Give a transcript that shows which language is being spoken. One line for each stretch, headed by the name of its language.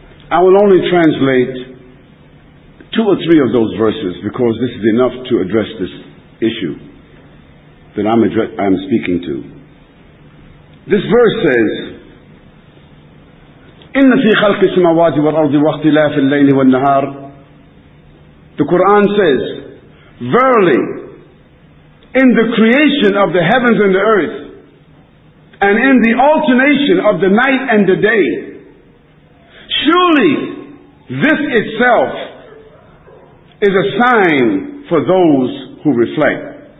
English: I will only translate 2 or 3 of those verses, because this is enough to address this issue that I'm speaking to. This verse says,
Arabic: إِنَّ فِي خَلْقِ السَّمَوَاتِ وَالْأَرْضِ وَاخْتِلَافِ اللَّيْلِ وَالنَّهَارِ.
English: The Quran says, verily, in the creation of the heavens and the earth, and in the alternation of the night and the day, surely this itself is a sign for those who reflect.